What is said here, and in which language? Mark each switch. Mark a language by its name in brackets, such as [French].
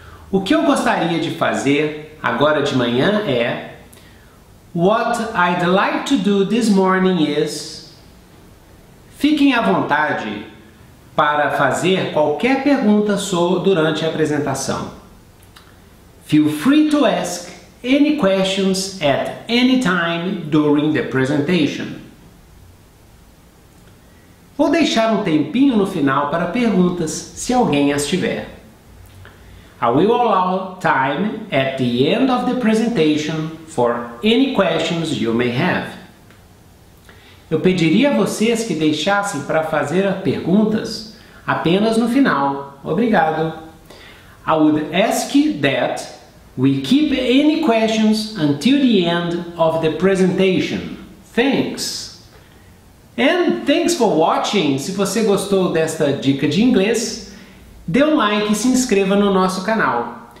[Portuguese] O que eu gostaria de fazer agora de manhã é... [English] What I'd like to do this morning is... [Portuguese] Fiquem à vontade para fazer qualquer pergunta durante a apresentação. [English] Feel free to ask any questions at any time during the presentation. [Portuguese] Vou deixar um tempinho no final para perguntas, se alguém as tiver. [English] I will allow time at the end of the presentation for any questions you may have. [Portuguese] Eu pediria a vocês que deixassem para fazer perguntas apenas no final. Obrigado. [English] I would ask that we keep any questions until the end of the presentation. Thanks. And thanks for watching. [Portuguese] Se você gostou desta dica de inglês, dê um like e se inscreva no nosso canal.